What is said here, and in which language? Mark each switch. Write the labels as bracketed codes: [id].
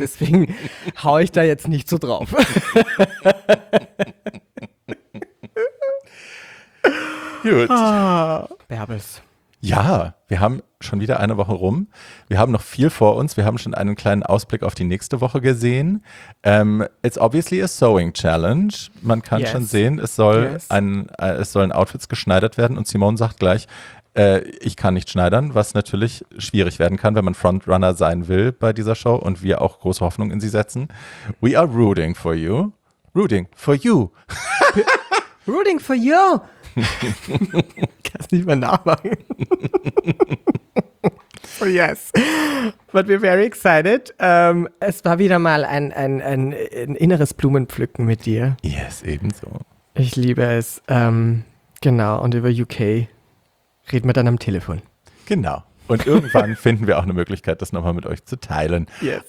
[de] Deswegen haue ich da jetzt nicht so drauf. Gut. Bärbels. Ja, wir haben schon wieder eine Woche rum. Wir haben noch viel vor uns. Wir haben schon einen kleinen Ausblick auf die nächste Woche gesehen. [en] It's obviously a sewing challenge. [de] Man kann schon sehen, es sollen Outfits geschneidert werden. Und Simone sagt gleich, ich kann nicht schneidern, was natürlich schwierig werden kann, wenn man Frontrunner sein will bei dieser Show und wir auch große Hoffnung in sie setzen. [en] We are rooting for you. Rooting for you. Rooting for you. [de] Kannst nicht mehr nachmachen. [en] So yes, but we're very excited. [de] Es war wieder mal ein inneres Blumenpflücken mit dir. [en] Yes, [de] ebenso. Ich liebe es. Genau, und über UK reden wir dann am Telefon. Genau. Und irgendwann finden wir auch eine Möglichkeit, das nochmal mit euch zu teilen. [en] Yes.